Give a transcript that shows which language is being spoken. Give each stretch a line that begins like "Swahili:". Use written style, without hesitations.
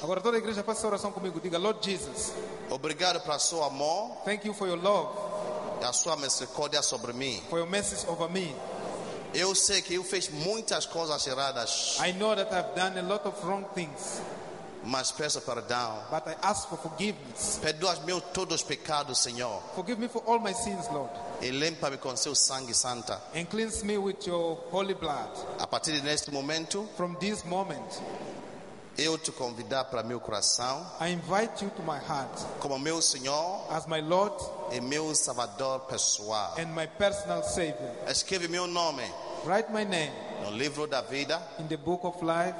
Portuguese: Agora toda a igreja faça oração comigo. Diga,
English: Lord Jesus.
Portuguese: Obrigado pela sua amor.
English: Thank you for your love.
Portuguese: E a sua misericórdia sobre mim.
English: For your mercy over me.
Portuguese: Eu sei que eu fiz muitas coisas erradas.
English: I know that I've done a lot of wrong things.
Portuguese: Mas peço perdão.
English: But I ask for forgiveness.
Portuguese: Perdoa-me todos os pecados, Senhor.
English: Forgive me for all my sins, Lord.
Portuguese: E limpa-me com seu sangue santo.
English: And cleanse me with your holy blood.
Portuguese: A partir deste momento,
English: from this moment,
Portuguese: eu te convido para meu coração.
English: I invite you to my heart.
Portuguese: Como meu Senhor,
English: as my Lord,
Portuguese: e meu Salvador pessoal.
English: And my personal Savior.
Portuguese: Escreve meu nome.
English: Write my name.
Portuguese: No livro da vida.
English: In the book of life.